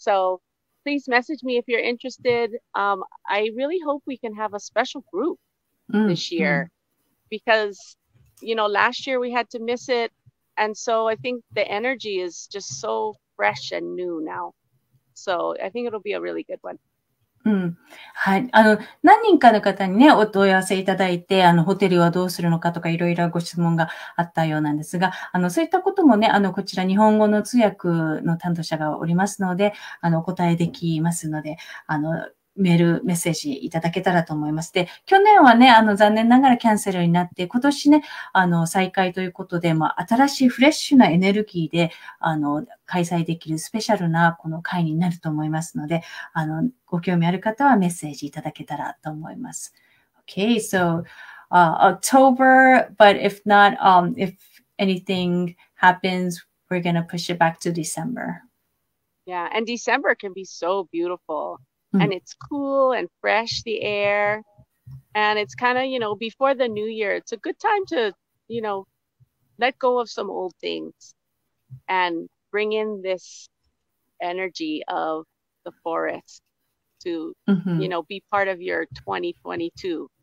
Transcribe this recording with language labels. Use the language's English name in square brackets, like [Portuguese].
[English] So,Please message me if you're interested. I really hope we can have a special group this year because, you know, last year we had to miss it. And so I think the energy is just so fresh and new now. So I think it'll be a really good one. [Japanese] うん。はい。何人かの方にね、お問い合わせいただいて、ホテルはどうするのかとか、いろいろご質問があったようなんですが、そういったこともね、こちら日本語の通訳の担当者がおりますので、お答えできますので、メール、メッセージいただけたらと思います。で、去年はね、残念ながらキャンセルになって、今年ね、再開ということで、まあ、新しいフレッシュなエネルギーで、開催できるスペシャルなこの会になると思いますので、ご興味ある方はメッセージいただけたらと思います。 [English] Okay, so, October, but if not, if anything happens, we're gonna push it back to December. Yeah, and December can be so beautiful. And it's cool and fresh, the air. And it's kind of, you know, before the new year, it's a good time to, you know, let go of some old things and bring in this energy of the forest to, you know, be part of your 2022.